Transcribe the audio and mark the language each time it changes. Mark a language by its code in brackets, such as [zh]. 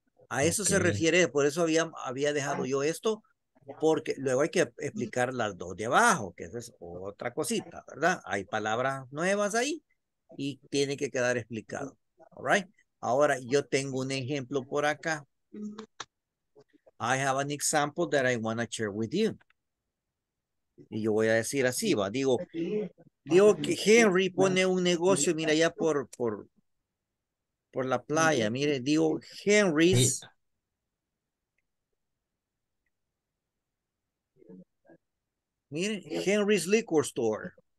[es] A eso okay. Se refiere, por eso había dejado yo esto, porque luego hay que explicar las dos de abajo, que esa es otra cosita, ¿verdad? Hay palabras nuevas ahí y tiene que quedar explicado. [en] All right. [es] Ahora yo tengo un ejemplo por acá. [en] I have an example that I want to share with you. [es] Y yo voy a decir así, va. Digo que Henry pone un negocio, mira, allá por la playa. Mire, digo, Henry's. Mire, Henry's Liquor Store.